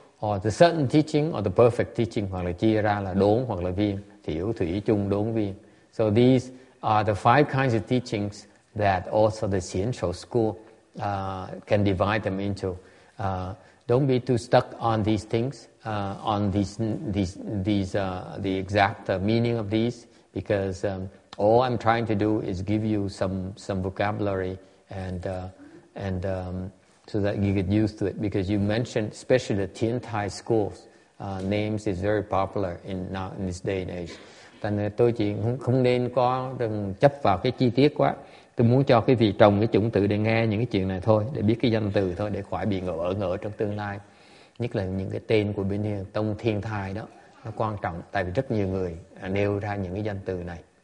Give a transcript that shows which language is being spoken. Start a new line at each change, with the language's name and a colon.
English: Or the certain teaching or the perfect teaching,
Vietnamese: hoặc là chia ra là đốn hoặc là viên, tiểu thủy chung đốn viên.
English: So these are the five kinds of teachings that also the Xian Shou school can divide them into. Don't be too stuck on these things, on the exact meaning of these, because all I'm trying to do is give you some vocabulary and and so that you get used to it. Because you mentioned, especially the Tiantai schools, names is very popular in this day and age.
Vietnamese: Thành ra tôi chỉ không nên có đừng chấp vào cái chi tiết quá. Tôi muốn cho cái vị trồng cái chủng tử để nghe những cái chuyện này thôi, để biết cái danh từ thôi, để khỏi bị ngỡ trong tương lai. Nhất là những cái tên của bên hiền tông thiên thai đó, nó quan trọng, tại vì rất nhiều người nêu ra những cái danh từ này.